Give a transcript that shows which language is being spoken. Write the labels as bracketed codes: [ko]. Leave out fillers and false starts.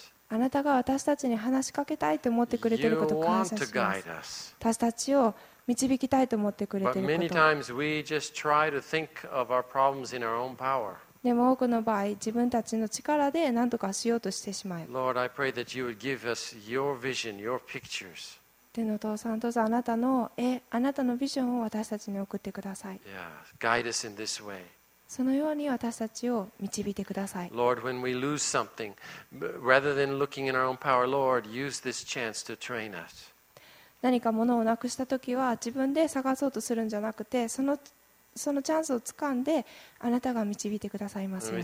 [ja] あなたが私たちに話しかけたいと思ってくれていることを感謝します。私たちを導きたいと思ってくれていること。でも多くの場合、自分たちの力で何とかしようとしてしまう。 [en] Lord, I pray that you would give us your vision, your pictures. [ja] 天のお父さん、どうぞあなたの絵、あなたのビジョンを私たちに送ってください。 [en] Yeah, guide us in this way. [ja] そのように私たちを導いてください。 [en] Lord, when we lose something, rather than looking in our own power, Lord, use this chance to train us. [ja] 何か物をなくしたときは自分で探そうとするんじゃなくて、そのチャンスをつかんであなたが導いてくださいますように。